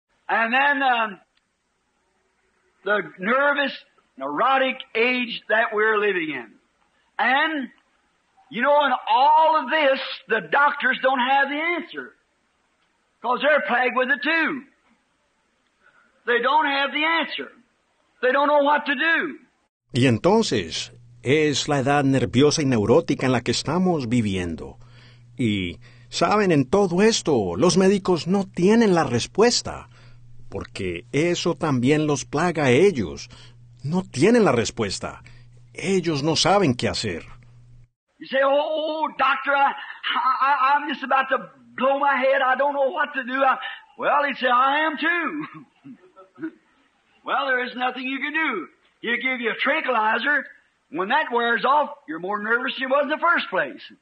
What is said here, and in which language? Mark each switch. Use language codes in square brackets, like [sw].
[en] And then, the nervous, neurotic age that we're living in. And, you know, in all of this, the doctors don't have the answer. Because they're plagued with it too. They don't have the answer. They don't know what to do. [es] Y entonces, es la edad nerviosa y neurótica en la que estamos viviendo. Y, ¿saben? En todo esto, los médicos no tienen la respuesta. Porque eso también los plaga a ellos. No tienen la respuesta. Ellos no saben qué hacer. [en] You say, oh, doctor, I'm just about to blow my head. I don't know what to do. Well, he said, I am too. Well, there is nothing you can do. He'll give you a tranquilizer. When that wears off, you're more nervous than you was in the first place.